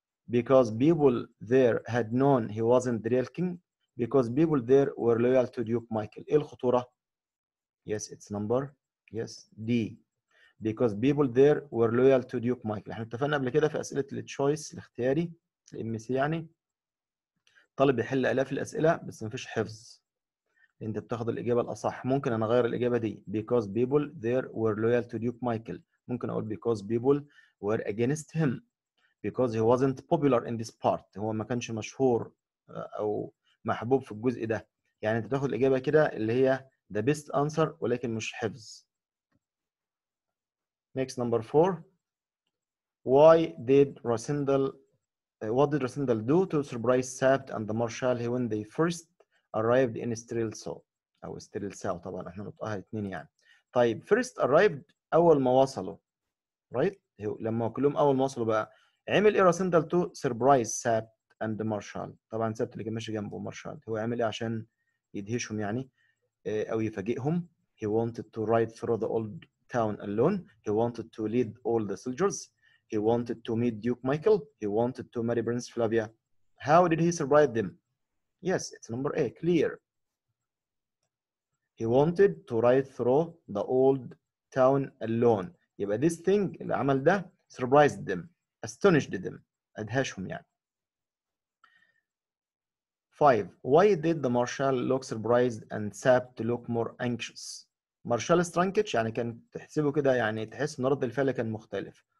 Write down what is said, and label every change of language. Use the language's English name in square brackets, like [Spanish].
[English] Because people there had known he wasn't the real king. Because people there were loyal to Duke Michael. [Arabic] إيه الخطورة؟ [English] Yes, it's number. Yes, D. Because people there were loyal to Duke Michael. [Arabic] إحنا اتفقنا قبل كده في أسئلة التشويس الاختياري. الام سي يعني. طالب يحل آلاف الأسئلة بس مفيش حفظ. أنت بتاخد الإجابة الأصح. ممكن أنا أغير الإجابة دي. [English] Because people there were loyal to Duke Michael. [Arabic] ممكن أقول [English] because people were against him. Because he wasn't popular in this part. [Arabic] هو ما كانش مشهور أو محبوب في الجزء ده. يعني أنت بتاخد الإجابة كده اللي هي [English] the best answer [Arabic] ولكن مش حفظ. [English] Next number four. What did Rosendahl do to surprise Sapt and the Marshal when they first arrived in Strelitz أو Strelitz [Arabic] طبعا احنا نطقها اتنين يعني. طيب [English] first arrived [Arabic] أول ما وصلوا right لما كلهم أول ما وصلوا بقى عمل إيه Rosendahl [English] to surprise Sapt and the Marshal؟ [Arabic] طبعا Sapt اللي كان ماشي جنبه Marshal هو عمل إيه عشان يدهشهم يعني أو يفاجئهم. [English] He wanted to ride through the old town alone. He wanted to lead all the soldiers. He wanted to meet Duke Michael. He wanted to marry Prince Flavia. How did he surprise them? Yes, it's number A, clear. He wanted to ride through the old town alone. [Arabic] يبقى [English] this thing [Arabic] اللي عمل ده [English] surprised them, astonished them, [Arabic] أدهشهم يعني. [English] 5. Why did the marshal look surprised and Sapt look more anxious? [Arabic] Marshal Strankic يعني كان تحسبه كده يعني تحس ان رد الفعل كان مختلف.